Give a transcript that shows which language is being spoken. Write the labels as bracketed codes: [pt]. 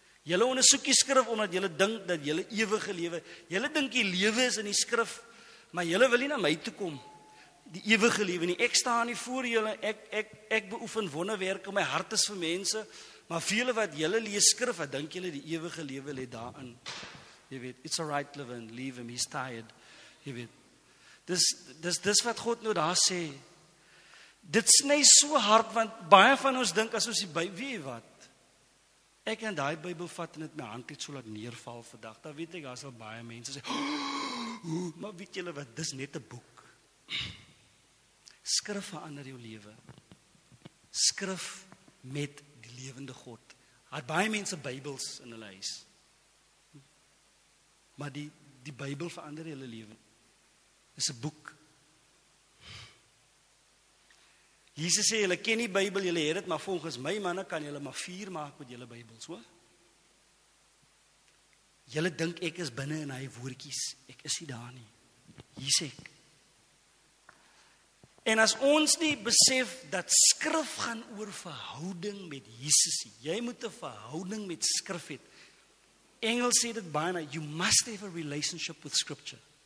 [af] Julle ondersoek die skrif omdat julle dink dat julle ewige lewe, julle dink die lewe is in die skrif, maar julle wil nie na my toe kom. Die ewige lewe nie. Ek staan hier voor julle, ek beoefen wonderwerke, my hart is vir mense. Maar vir julle wat julle lees skrif, wat dink julle die ewige lewe lê daarin? [en] Jy weet, it's all right, Levin, leave him, he's tired. [af] Jy weet, dis wat God nou daar sê. Dit sny so hard, want baie van ons dink, as ons die Bybel, weet jy wat, ek kan die Bybel vat en het my hand het so laat neerval vandag, dan weet ek, as al baie mense sê, maar weet julle wat, dis net 'n boek. Skrif verander jou lewe. Skrif met die lewende God, had baie mense Bybels in hulle huis, maar die Bybel verander hulle lewe, is 'n boek. Jesus sê, julle ken die Bybel, julle het dit, maar volgens my manne kan julle maar vuur maak met julle Bybels, hoor. Julle dink ek is binne in hy woordjies, ek is nie daar nie, hier sê ek. En as ons nie besef dat skrif gaan oor verhouding met Jesus, jy moet 'n verhouding met skrif het. [en] Engels sê dit baie, you must have a relationship with scripture.